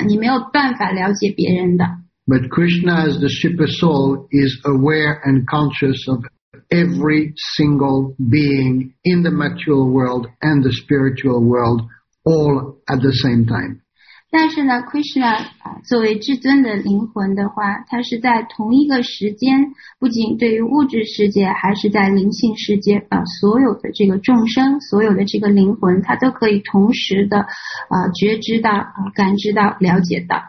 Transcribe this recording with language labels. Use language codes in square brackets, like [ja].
[zh] 比如说，你可能可以觉知到自己的躯体，对你的躯体、你的心意和思想，你是有所觉知的。但是你只是局限于你自己这个个人，你没有办法了解别人的。 [en] But Krishna, as the super soul, is aware and conscious of every single being in the material world and the spiritual world all at the same time. [zh] 但是呢, Krishna, 作为至尊的灵魂的话, 他是在同一个时间,不仅对于物质世界,还是在灵性世界, 所有的这个众生, 所有的这个灵魂, 他都可以同时的, 觉知到, 感知到, 了解到。